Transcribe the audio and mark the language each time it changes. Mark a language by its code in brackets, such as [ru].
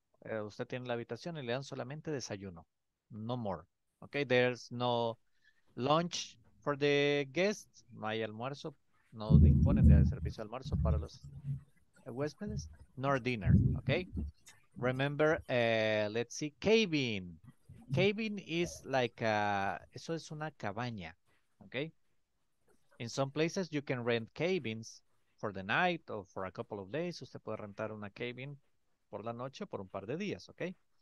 [es] Usted tiene la habitación y le dan solamente desayuno. [en] No more. Okay, there's no lunch for the guests. [es] No hay almuerzo no disponen de servicio de almuerzo para los huéspedes, [en] nor dinner, okay? Remember, let's see, cabin. Cabin is like, [es] eso es una cabaña, [en] okay? In some places you can rent cabins for the night or for a couple of days. [es] Usted puede rentar una cabin por la noche o por un par de días, okay?